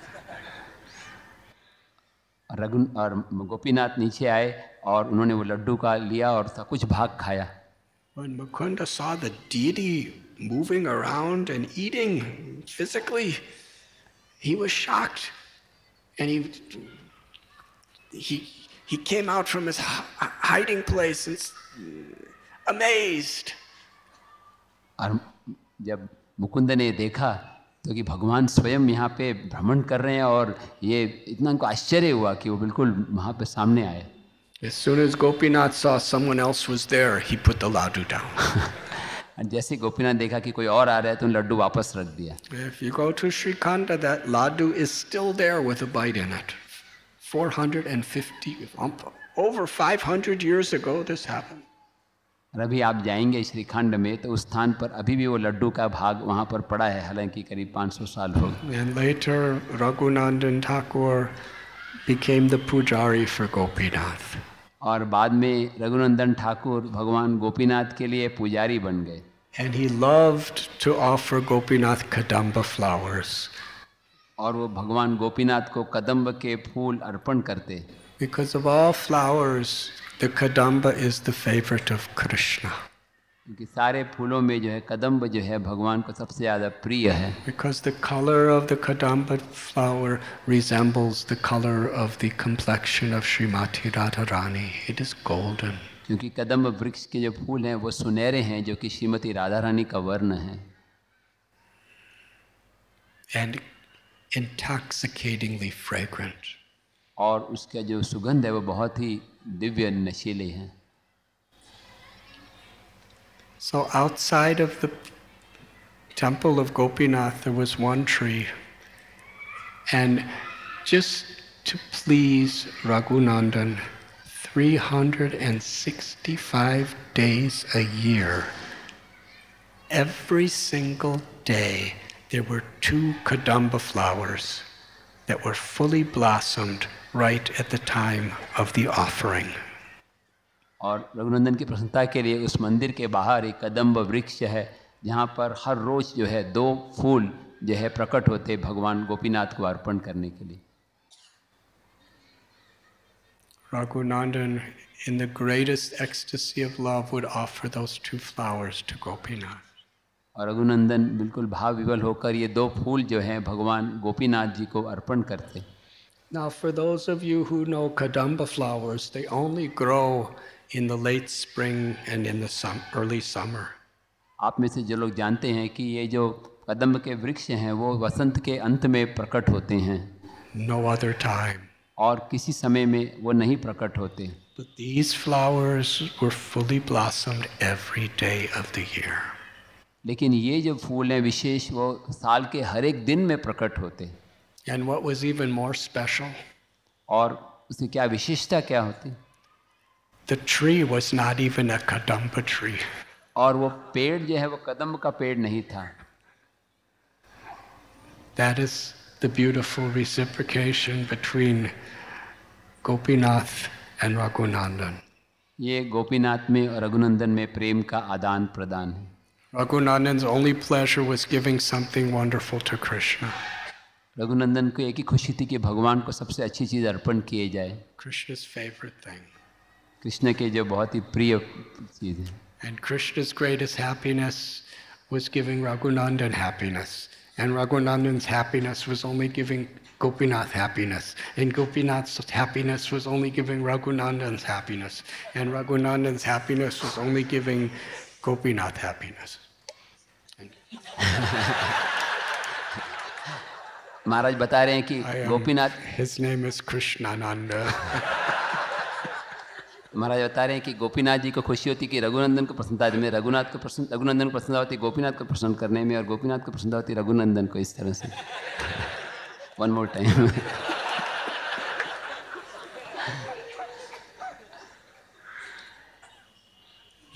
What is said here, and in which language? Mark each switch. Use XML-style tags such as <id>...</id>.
<hi>और गोपीनाथ नीचे आए और उन्होंने वो लड्डू का लिया और सब कुछ भाग खाया.</hi> <en>When Mukunda saw the deity moving around and eating physically, he was shocked, and he came out from his hiding place and amazed.</en> <hi>और जब मुकुंद ने देखा तो कि भगवान स्वयं यहाँ पे भ्रमण कर रहे हैं, और ये इतना उनको आश्चर्य हुआ कि वो बिल्कुल वहाँ पे सामने आए.</hi> <en>As soon as Gopinath saw someone else was there, he put the laddu down.</en> <hi>जैसे गोपीनाथ देखा कि कोई और आ रहा है, तो उन लड्डू वापस रख दिया.</hi> <en>If you go to Shrikanta, that laddu is still there with a bite in it. 450, over 500 years ago, this happened.</en> <hi>और अभी आप जाएंगे श्रीखंड में तो उस स्थान पर अभी भी वो लड्डू का भाग वहाँ पर पड़ा है, हालांकि करीब 500 साल हो गए।</hi> <en>And later, Raghunandan Thakur became the pujari for Gopinath.</en> <hi>और बाद में रघुनंदन ठाकुर भगवान गोपीनाथ के लिए पुजारी बन गए।</hi> <en>And he loved to offer Gopinath Kadamba flowers.</en> <hi>और वो भगवान गोपीनाथ को कदंब के फूल अर्पण करते।</hi> <en>Because of all flowers, the Kadamba is the favorite of Krishna.</en> <hi>क्योंकि सारे फूलों में जो है कदंब जो है भगवान को सबसे ज्यादा प्रिय है।</hi> <en>Because the color of the Kadamba flower resembles the color of the complexion of Srimati Radharani. It is golden.</en> <hi>क्योंकि कदंब वृक्ष के जो फूल हैं वो सुनहरे हैं जो कि श्रीमती राधा रानी का वर्ण है।</hi> <en>And intoxicatingly fragrant.</en> <hi>और उसका जो सुगंध है वो बहुत ही दिव्य नशीले हैं।</hi> <en>So outside of the temple of Gopinath there was one tree, and just to please Raghunandan, 365 days a year, every single day, there were two Kadamba flowers that were fully blossomed right at the time of the offering.</en> <hi>और रघुनंदन की प्रसन्नता के लिए उस मंदिर के बाहर एक कदंब वृक्ष है जहाँ पर हर रोज जो है दो फूल जो है प्रकट होते भगवान गोपीनाथ को अर्पण करने के लिए।</hi> <en>Raghunandan, in the greatest ecstasy of love, would offer those two flowers to Gopinath.</en> <hi>और रघुनंदन बिल्कुल भाव विवल होकर ये दो फूल जो हैं भगवान गोपीनाथ जी को अर्पण करते।</hi> <en>Now, for those of you who know Kadamba flowers, they only grow in the late spring and in the early summer.</en> <hi>आप में से जो लोग जानते हैं कि ये जो कदंब के वृक्ष हैं वो वसंत के अंत में प्रकट होते हैं।</hi> <en>No other time.</en> <hi>और किसी समय में वो नहीं प्रकट होते।</hi> <en>But these flowers were fully blossomed every day of the year.</en> <hi>लेकिन ये जो फूल हैं विशेष वो साल के हर एक दिन में प्रकट होते।</hi> <en>And what was even more special?</en> <hi>और उसकी क्या विशेषता क्या होती?</hi> <en>The tree was not even a kadamba tree.</en> <hi>और वो पेड़ जो है वो कदंब का पेड़ नहीं था।</hi> <en>That is the beautiful reciprocation between Gopinath and Raghunandan.</en> <hi>ये गोपीनाथ में और रघुनंदन में प्रेम का आदान प्रदान है।</hi> <en>Raghunandan's only pleasure was giving something wonderful to Krishna.</en> <hi>Raghunandan को एक ही खुशी थी कि भगवान को सबसे अच्छी चीज अर्पण किए जाए।</hi> <en>Krishna's favorite thing.</en> <hi>कृष्ण के जो बहुत ही प्रिय चीज है।</hi> <en>And Krishna's greatest happiness was giving Raghunandan happiness. And Raghunandan's happiness was only giving Gopinath happiness. And Gopinath's happiness was only giving Raghunandan's happiness. And Raghunandan's happiness was only giving Gopinath happiness.</en> <hi>Maharaj bata rahe hain ki Gopinath...</hi> <en>His name is Krishnananda.</en> <hi>महाराज बता रहे हैं कि गोपीनाथ जी को खुशी होती कि रघुनंदन को प्रसन्नता में रघुनाथ को प्रसन्न रघुनंदन को प्रसन्नता होती गोपीनाथ को प्रसन्न करने में और गोपीनाथ को प्रसन्नता होती रघुनंदन को इस तरह से</hi> <en>one more time</en>